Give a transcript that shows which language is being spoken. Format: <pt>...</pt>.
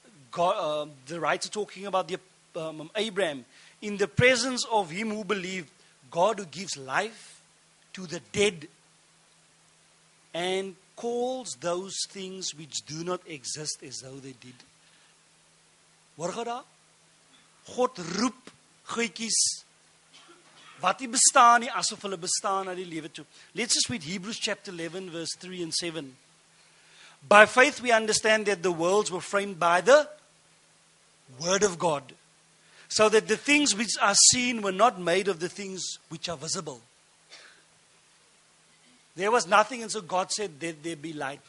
<en>God, the writer talking about the Abraham. In the presence of him who believed, God who gives life to the dead and calls those things which do not exist as though they did.</en> <af>Hoor jy daar? God roep goedjies wat nie bestaan nie asof hulle bestaan na die lewe toe.</af> <en>Let's just read Hebrews chapter 11 verse 3 and 7. By faith we understand that the worlds were framed by the word of God, so that the things which are seen were not made of the things which are visible. There was nothing, and so God said, let there be light.</en>